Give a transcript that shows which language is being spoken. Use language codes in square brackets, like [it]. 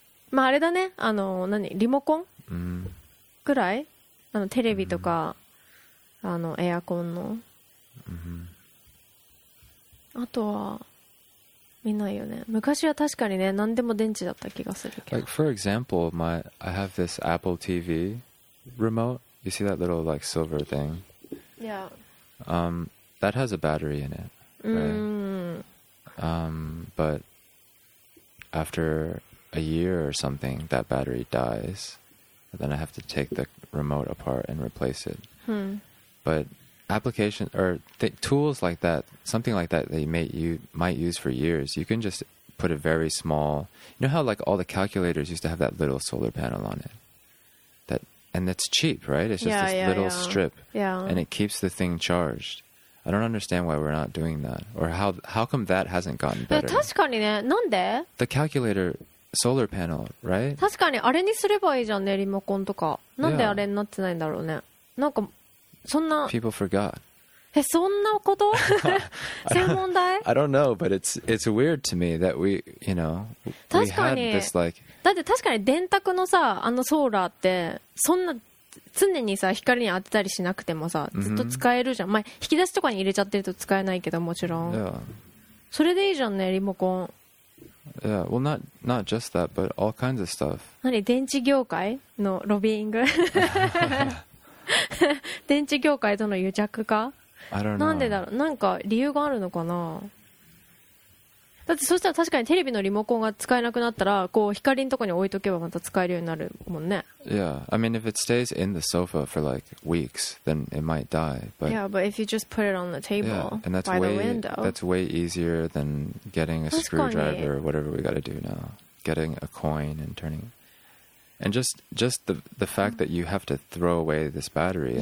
[ja] まああれだねあの何リモコン、 mm. ぐらいあのテレビとか、mm. あのエアコンの、 mm-hmm. あとは見ないよね。昔は確かにね、何でも電池だった気がするけど。 [en] Like for example, I have this Apple TV remote. You see that little like silver thing? Yeah. That has a battery in it. Right? But after a year or something, that battery dies. And then I have to take the remote apart and replace it. But application or tools like that, something like that that you might use for years, you can just put a very small. You know how like all the calculators used to have that little solar panel on it, that and that's cheap, right? It's just strip, yeah, and it keeps the thing charged. I don't understand why we're not doing that, or how come that hasn't gotten better? [ja] 確かにね、なんで? [en] The calculator solar panel, right? [ja] 確かにあれにすればいいじゃんね、リモコンとか。なんであれになってないんだろうね。なんか。そんな [en] People forgot. [ja] え、そんなこと?専門題? [en] I don't know, but it's weird to me that we, you know, we had this like... [ja] だって確かに電卓のさ、あのソーラーってそんな常にさ、光に当てたりしなくてもさ、ずっと使えるじゃん。まあ、引き出しとかに入れちゃってると使えないけどもちろん。 [en] Yeah. [ja] それでいいじゃんね、リモコン。 [en] Yeah, well, not just that, but all kinds of stuff. [ja] 何? 電池業界のロビーイング? 電池業界との癒着か。なんでだろう。なんか理由があるのかな。だってそしたら確かにテレビのリモコンが使えなくなったら、こう光のとこに置いとけばまた使えるようになるもんね。 [en] Yeah, I mean if it stays in the sofa for like weeks, then it might die. But yeah, but if you just put it on the table, yeah, and that's by way, the window, that's way easier than getting a screwdriver or whatever we got to do now. Getting a coin and turning. And just the fact that you have to throw away this battery and